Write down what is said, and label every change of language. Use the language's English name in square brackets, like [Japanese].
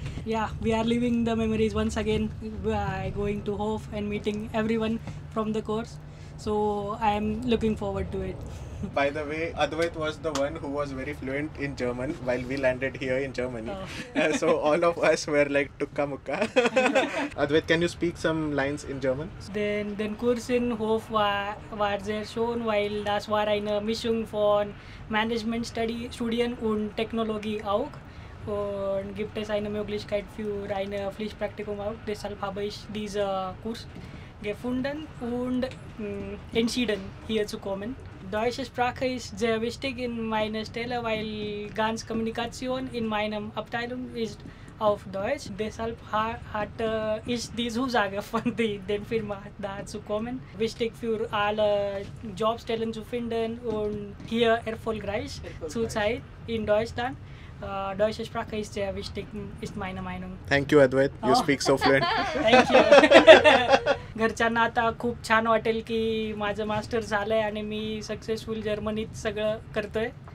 [English] Yeah, we are living the memories once again by going to Hof and meeting everyone from the course. So I am looking forward to it. By the way, Advait was the one who was very fluent in German while we landed here in Germany. Oh. So all of us were like tukka mukka. Advait, can you speak some lines in German? [German] Den Kurs in Hof war sehr schön, weil das war eine Mischung von Management study, Studien und Technologie auch. Und gibt es eine Möglichkeit für ein Pflichtpraktikum auch. Deshalb habe ich diesen Kurs gefunden und entschieden, hier zu kommen. Deutsche Sprache ist sehr wichtig in meiner Stelle, weil ganz Kommunikation in meinem Abteilung ist auf Deutsch. Deshalb hatte ich die Zusage von der Firma, da zu kommen. Wichtig für alle Jobstellen zu finden und hier erfolgreich zu sein in Deutschland. Deutsche Sprache ist sehr wichtig, ist meine Meinung. [English] Thank you, Advait. You speak so fluent. Thank you. [Marathi] घरच्यांना आता खूप छान वाटेल की माझं master झालंय आणि मी successful जर्मनीत सगळं करतोय.